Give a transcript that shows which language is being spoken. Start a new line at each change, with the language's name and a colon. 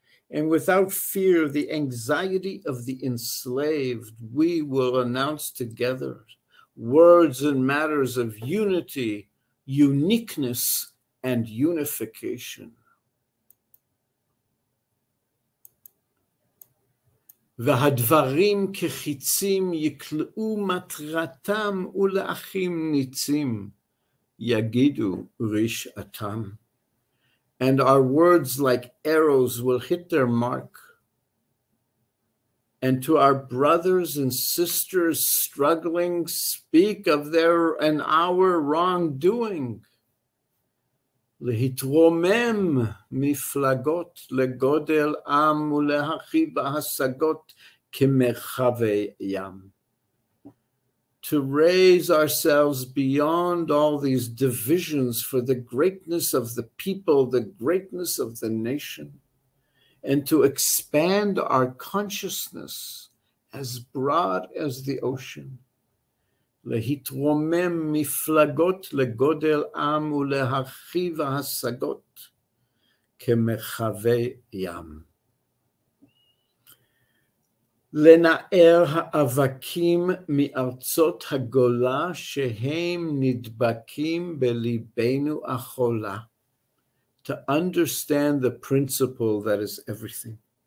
English: And without fear, the anxiety of the enslaved, we will announce together words and matters of unity, uniqueness, and unification.
Hebrew: והדברים כחיצים יקלעו מטרתם ולאחים ניצים, יגידו רשעתם.
English: And our words like arrows will hit their mark. And to our brothers and sisters struggling, speak of their and our wrongdoing.
Hebrew: להתרומם מפלגות לגודל עם ולהרחיב השגות כמרחבי ים.
English: To raise ourselves beyond all these divisions for the greatness of the people, the greatness of the nation, and to expand our consciousness as broad as the ocean.
Hebrew: להתרומם מפלגות לגודל עם ולהרחיב השגות כמרחבי ים. לנער האבקים מארצות הגולה שהם נדבקים בליבנו החולה.
English: To understand the principle that is everything.